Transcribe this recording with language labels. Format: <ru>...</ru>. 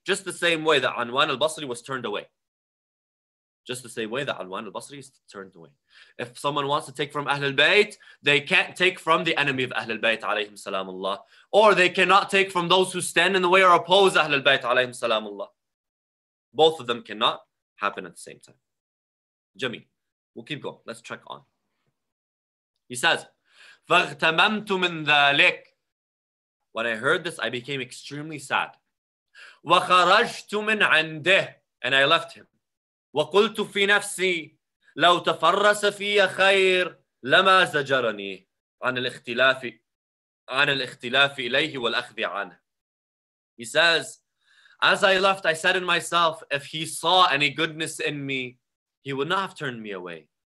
<en>Just the same way that Anwan al-Basri was turned away. Just the same way that Anwan al-Basri is turned away. If someone wants to take from Ahlul Bayt, they can't take from the enemy of Ahlul Bayt alayhi salam Allah. Or they cannot take from those who stand in the way or oppose Ahlul Bayt alayhi salam Allah. Both of them cannot happen at the same time. Jameel, we'll keep going. Let's check on. He says,</en> <ar>فَاغْتَمَمْتُ مِنْ ذَلِكَ.</ar> <en>When I heard this, I became extremely sad.</en> <ar>وَخَرَجْتُ مِنْ عَنْدِهِ.</ar> <en>And I left him.</en> <ar>وَقُلْتُ فِي نَفْسِي لَوْ تَفَرَّسَ فِيَّ خَيْرٍ لَمَا زَجَرَنِي عَنِ الْإِخْتِلَافِ إِلَيْهِ وَالْأَخْذِ عَنِهِ.</ar> <en>He says, as I left, I said in myself, if he saw any goodness in me, he would not have turned me away.</en>